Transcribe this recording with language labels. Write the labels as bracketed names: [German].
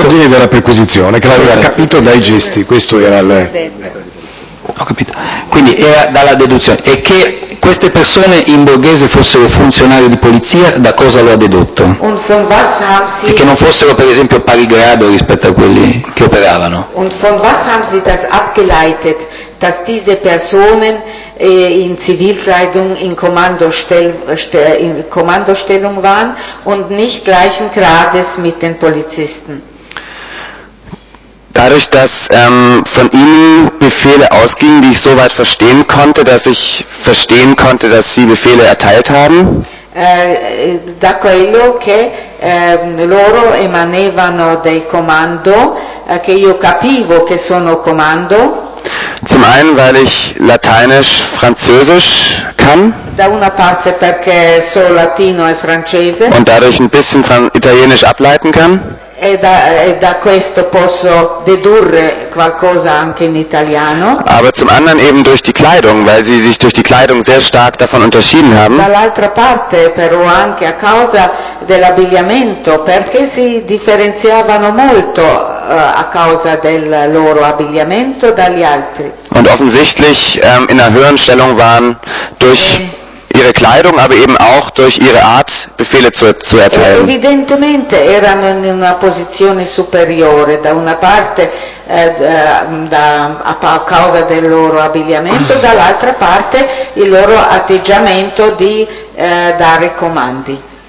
[Italian] L'ordine della perquisizione, che l'aveva capito dai gesti, questo era il... Ho capito. Quindi era dalla deduzione. E che queste persone in borghese fossero funzionari di polizia, da cosa lo ha dedotto? [German] Und von was haben Sie... [Italian] E che non fossero, per esempio, pari grado rispetto a quelli che operavano. [German] Und von was haben Sie das abgeleitet, dass diese Personen in Zivilkleidung in Kommandostellung waren und nicht gleichen Grades mit den Polizisten? Dadurch, dass von Ihnen Befehle ausgingen, die ich so weit verstehen konnte, dass ich verstehen konnte, dass Sie Befehle erteilt haben? [Italian] Da quello che loro emanevano dei comando, che io capivo che sono comando. [German] Zum einen, weil ich Lateinisch, Französisch kann. [Italian] Da una parte perché so latino e francese. [German] Und dadurch ein bisschen Italienisch ableiten kann. [Italian] E da questo posso dedurre qualcosa anche in italiano. [German] Aber zum anderen eben durch die Kleidung, weil sie sich durch die Kleidung sehr stark davon unterschieden haben. [Italian] Dall'altra parte però anche a causa dell'abbigliamento, perché si differenziavano molto a causa del loro abbigliamento dagli altri. [German] Und offensichtlich in einer höheren Stellung waren durch ihre Kleidung, aber eben auch durch ihre Art, Befehle zu erteilen. [Italian] Evidentemente erano in una posizione superiore, da una parte a causa del loro abbigliamento, dall'altra parte il loro atteggiamento di dare comandi.